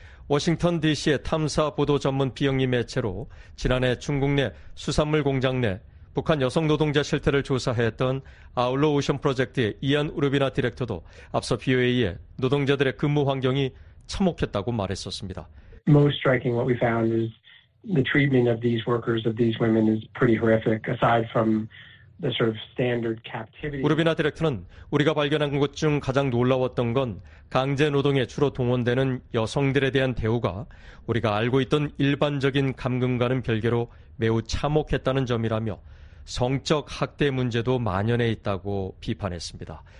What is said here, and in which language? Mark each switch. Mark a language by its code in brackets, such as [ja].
[ko] 워싱턴 DC의 탐사 보도 전문 비영리 매체로 지난해 중국 내 수산물 공장 내 북한 여성 노동자 실태를 조사했던 아울러 오션 프로젝트의 이안 우르비나 디렉터도 앞서 BOA에 노동자들의 근무 환경이 참혹했다고 말했었습니다. [en] Most striking what we found is the treatment of these workers, of these women is pretty horrific aside from the sort of standard captivity. [ko] 우르비나 디렉터는 우리가 발견한 것 중 가장 놀라웠던 건 강제 노동에 주로 동원되는 여성들에 대한 대우가 우리가 알고 있던 일반적인 감금과는 별개로 매우 참혹했다는 점이라며 성적 학대 문제도 만연해 있다고 비판했습니다.